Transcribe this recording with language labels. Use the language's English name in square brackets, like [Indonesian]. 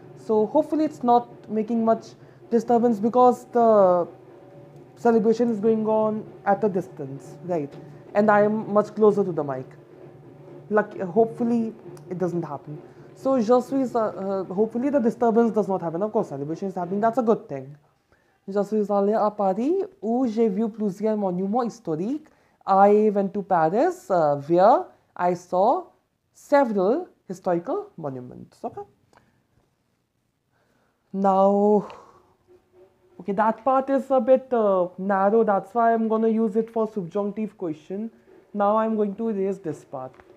[English] So hopefully it's not making much disturbance, because the celebration is going on at a distance, right? And I am much closer to the mic. Like, hopefully it doesn't happen. So, [French] je suis, [English] hopefully the disturbance does not happen. Of course, celebration is happening. That's a good thing. [French] Je suis allé à Paris où j'ai vu plusieurs monuments historiques. [English] I went to Paris where I saw several historical monuments. Okay. Now, okay, that part is a bit narrow. That's why I'm going to use it for subjunctive question. Now I'm going to erase this part.